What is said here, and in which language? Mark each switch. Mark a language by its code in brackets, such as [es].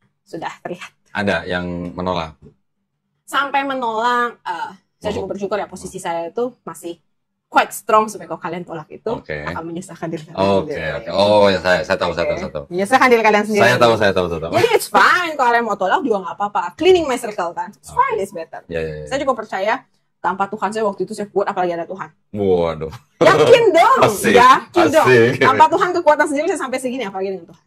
[id] Sudah terlihat. Ada yang menolak? Sampai menolak, saya cukup bersyukur ya posisi saya itu masih [en] quite strong [id] supaya kalau kalian tolak itu akan menyusahkan diri kalian sendiri. Saya tahu. Menyusahkan diri kalian sendiri. Saya tahu. Jadi [en] it's fine [id] kalau kalian mau tolak juga nggak apa-apa. [en] Cleaning my circle [id] kan, [en] it's fine, it's better. [id] Saya cukup percaya tanpa Tuhan saya waktu itu saya kuat apalagi ada Tuhan. Yakin dong, Tanpa Tuhan kekuatan sendiri saya sampai segini apalagi dengan Tuhan.